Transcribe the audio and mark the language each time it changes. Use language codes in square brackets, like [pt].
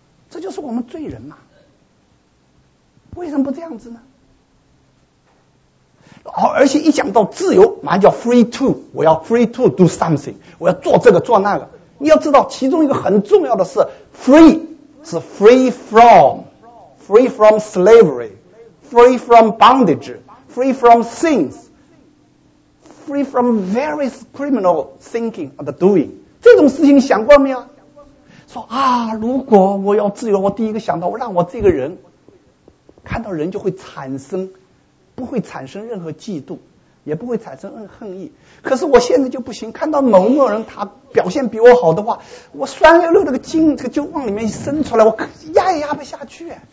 [zh] 这就是我们罪人嘛。为什么不这样子呢？而且一讲到自由，马上叫 [en] free to， [zh] 我要 [en] free to do something， [zh] 我要做这个做那个。你要知道其中一个很重要的是 free， 是 [en] free from。 Free from slavery, free from bondage, free from sins, free from various criminal thinking and doing. [zh] 这种事情想过没有？说啊，如果我要自由，我第一个想到，我让我这个人看到人就会产生，不会产生任何嫉妒，也不会产生恨意。可是我现在就不行，看到某某人他表现比我好的话，我酸溜溜的个劲就往里面伸出来，我压也压不下去。